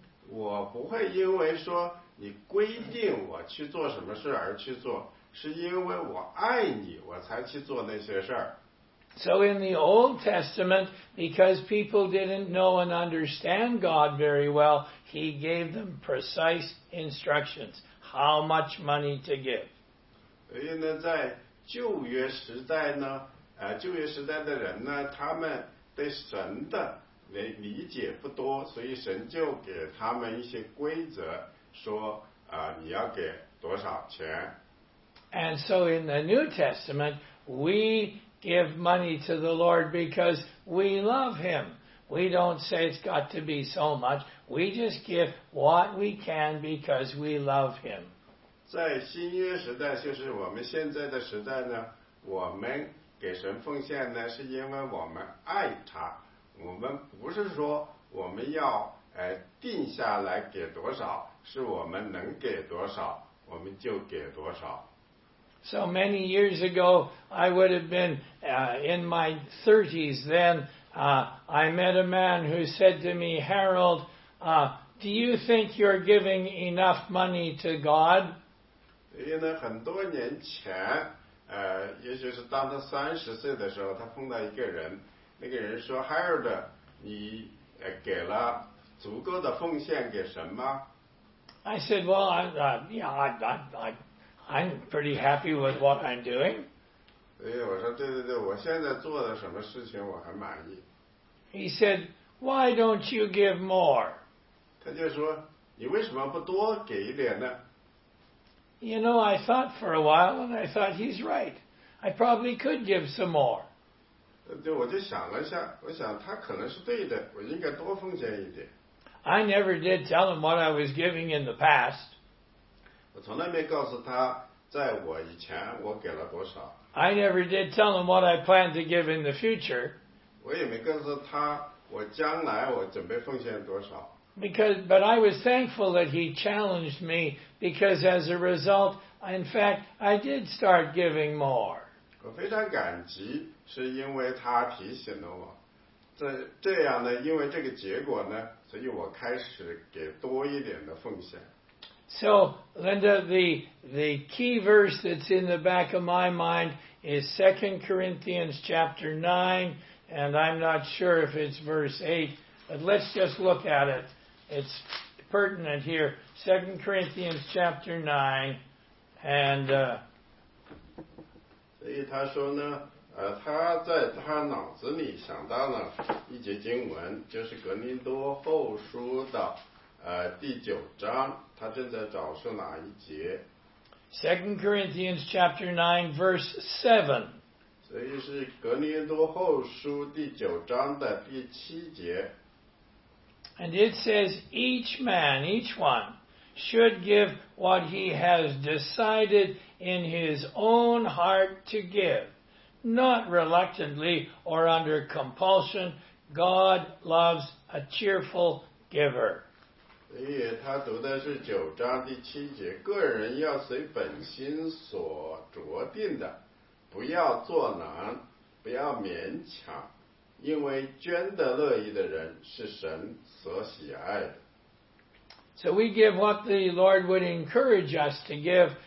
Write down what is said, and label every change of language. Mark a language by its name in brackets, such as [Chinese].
[Chinese] 我不会因为说你规定我去做什么事而去做，是因为我爱你，我才去做那些事儿。 [English] So in the Old Testament, because people didn't know and understand God very well, he gave them precise instructions. how much money to give. [Chinese] 因为呢，在旧约时代呢，旧约时代的人呢，他们对神的理解不多，所以神就给他们一些规则，说啊，你要给多少钱。 [English] And so in the New Testament, we give money to the Lord because we love Him. We don't say it's got to be so much. We just give what we can because we love Him. [Chinese] 在新约时代，就是我们现在的时代呢，我们给神奉献呢，是因为我们爱他。我们不是说我们要定下来给多少，是我们能给多少，我们就给多少。 [English] So many years ago, I would have been in my 30s then, I met a man who said to me, Harold, do you think you're giving enough money to God? [Chinese] 因为很多年前，也就是当他30岁的时候，他碰到一个人，那个人说 ，Harold， 你给了足够的奉献给神吗 [English] ？I said, well, I'm pretty happy with what I'm doing. [Chinese] 哎，我说对对对，我现在做的什么事情我很满意。 [English] He said, why don't you give more? [Chinese] 他就说，你为什么不多给一点呢？ [English] You know, I thought for a while, and I thought he's right. I probably could give some more. [Chinese] 对，我就想了一下，我想他可能是对的，我应该多奉献一点。 [English] I never did tell him what I was giving in the past. [Chinese] 我从来没告诉他，在我以前我给了多少。 [English] I never did tell him what I planned to give in the future. [Chinese] 我也没告诉他，我将来我准备奉献多少。 [English] But I was thankful that he challenged me because as a result, in fact, I did start giving more. [Chinese] 我非常感激，是因为他提醒了我。这样呢，因为这个结果呢，所以我开始给多一点的奉献。 [English] So, Linda, the key verse that's in the back of my mind is 2 Corinthians chapter 9, and I'm not sure if it's verse 8, but let's just look at it. It's pertinent here. 2 Corinthians chapter 9, and... [Chinese] 所以他说呢，他在他脑子里想到了一节经文，就是格林多后书的第九章，他正在找是哪一节。 [English] 2 Corinthians chapter 9, verse 7. [Chinese] 所以是格林多后书第九章的第七节。 [English] And it says, each man, each one, should give what he has decided in his own heart to give, not reluctantly or under compulsion. God loves a cheerful giver. [Chinese] 所以他读的是九章第七节，个人要随本心所酌定的，不要作难，不要勉强。因为捐得乐意的人是神所喜爱的。 [English] So we give what the Lord would encourage us to give.